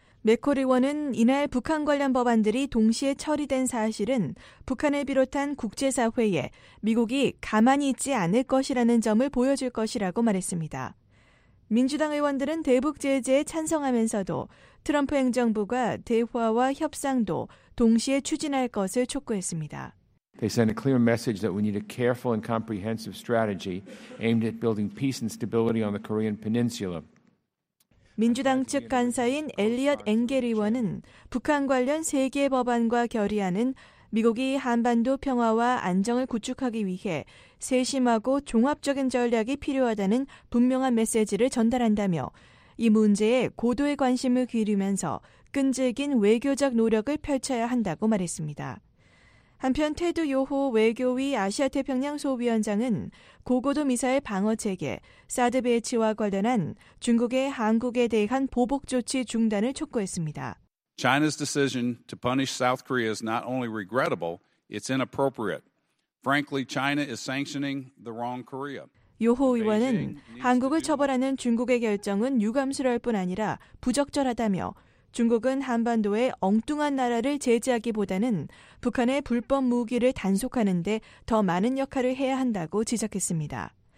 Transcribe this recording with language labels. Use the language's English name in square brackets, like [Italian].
[Korean] 맥콜 의원은 이날 북한 관련 법안들이 동시에 처리된 사실은 북한을 비롯한 국제사회에 미국이 가만히 있지 않을 것이라는 점을 보여줄 것이라고 말했습니다. 민주당 의원들은 대북 제재에 찬성하면서도 트럼프 행정부가 대화와 협상도 동시에 추진할 것을 촉구했습니다. [English] They send a clear message that we need a careful and comprehensive strategy aimed at building peace and stability on the Korean Peninsula. [Korean] 민주당 측 간사인 엘리엇 앵겔 의원은 북한 관련 3개 법안과 결의안은 미국이 한반도 평화와 안정을 구축하기 위해 세심하고 종합적인 전략이 필요하다는 분명한 메시지를 전달한다며 이 문제에 고도의 관심을 기울이면서 끈질긴 외교적 노력을 펼쳐야 한다고 말했습니다. 한편 테드 요호 외교위 아시아태평양 소위원장은 고고도 미사일 방어체계, 사드 배치와 관련한 중국의 한국에 대한 보복 조치 중단을 촉구했습니다. [English] China's decision to punish South Korea is not only regrettable, it's inappropriate. Frankly, China is sanctioning the wrong Korea. [Korean] 요호 의원은 한국을 처벌하는 중국의 결정은 유감스러울 뿐 아니라 부적절하다며 중국은 한반도에 엉뚱한 나라를 제재하기보다는 북한의 불법 무기를 단속하는 데 더 많은 역할을 해야 한다고 지적했습니다.